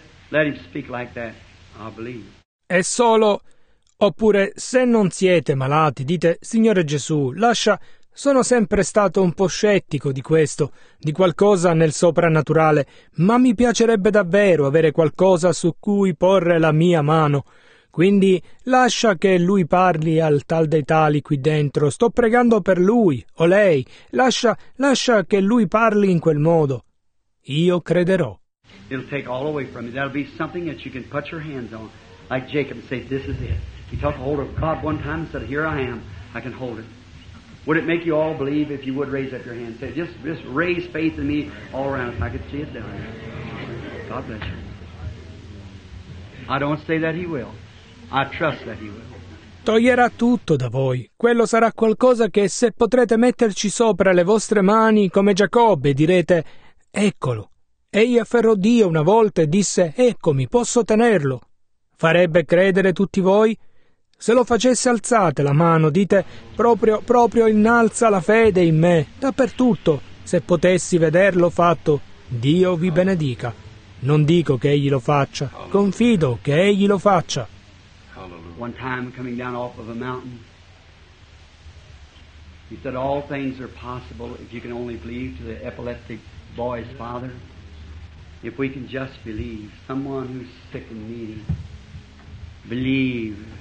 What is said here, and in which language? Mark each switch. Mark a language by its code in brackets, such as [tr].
[en] Let him speak like that, I believe. [it] È solo... Oppure, se non siete malati, dite, Signore Gesù, lascia, sono sempre stato un po' scettico di questo, di qualcosa nel soprannaturale, ma mi piacerebbe davvero avere qualcosa su cui porre la mia mano. Quindi, lascia che lui parli al tal dei tali qui dentro, sto pregando per lui, o lei, lascia che lui parli in quel modo. Io crederò. [en] It'll take all away from you. That'll be something that you can put your hands on, like Jacob, and say, this is it. He took hold of God one time and said, here I am, I can hold it. Would it make you all believe if you would raise up your hand? Say, just raise faith in me all around us. I could see it down there. God bless you. I don't say that he will. I trust that he will. [it] Toglierà tutto da voi. Quello sarà qualcosa che se potrete metterci sopra le vostre mani come Giacobbe direte, eccolo. Egli afferrò Dio una volta e disse, eccomi, posso tenerlo. Farebbe credere tutti voi? Se lo facesse alzate la mano, dite, proprio innalza la fede in me, dappertutto. Se potessi vederlo fatto, Dio vi benedica. Non dico che egli lo faccia, confido che egli lo faccia. [en] One time coming down off of a mountain, He said, all things are possible if you can only believe, to the epileptic boy's father. If we can just believe, someone who's sick and needy, believe.